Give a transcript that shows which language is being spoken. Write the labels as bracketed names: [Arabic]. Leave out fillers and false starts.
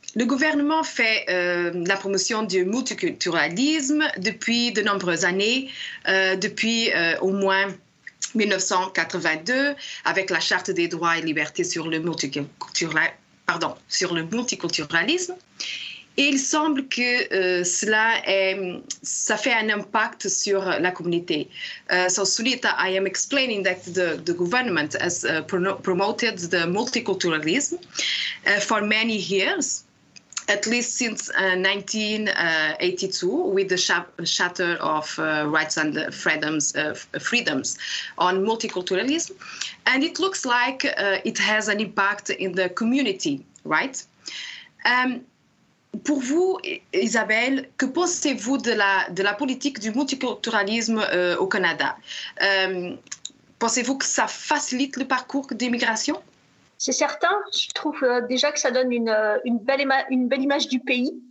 [French] Le gouvernement fait la promotion du multiculturalisme depuis de nombreuses années, depuis au moins 1982, avec la Charte des droits et libertés sur le multiculturalisme. Sur le multiculturalisme. Et il semble que ça fait un impact sur la communauté. [English] So, Sunita, I am explaining that the government has promoted the multiculturalism for many years, at least since 1982, with the Charter of Rights and Freedoms, on multiculturalism. And it looks like it has an impact in the community, right? [French] Pour vous, Isabelle, que pensez-vous de la politique du multiculturalisme au Canada? Pensez-vous que ça facilite le parcours d'immigration? C'est certain, je trouve déjà que ça donne une belle image du pays.